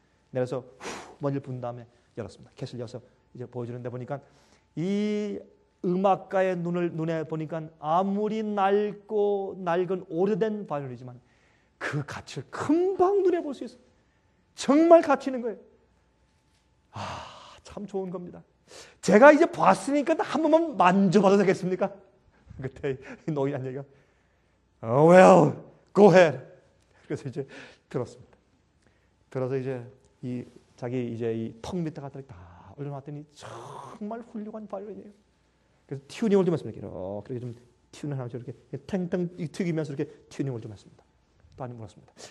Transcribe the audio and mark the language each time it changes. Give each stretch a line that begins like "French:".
Korean: 내려서 먼지를 분 다음에 열었습니다. 케이스를 열어서 이제 보여주는데 보니까 이 음악가의 눈에 보니까 아무리 낡고 낡은 오래된 바이올린이지만 그 가치를 금방 눈에 볼 수 있어요. 정말 가치 있는 거예요. 아, 참 좋은 겁니다. 제가 이제 봤으니까 한 번만 만져봐도 되겠습니까? 그때 노인한 얘기가
English: Oh well, go ahead.
Korean: 그래서 이제 들었습니다. 들어서 이제 이 자기 이제 이 턱 밑에가 다 올려놨더니 정말 훌륭한 바이올린이에요. 그래서 튜닝을 좀 했습니다. 이렇게 좀 튜닝을 하면서 이렇게 탱탱 튀기면서 이렇게 튜닝을 좀 했습니다. 또 아니 물었습니다.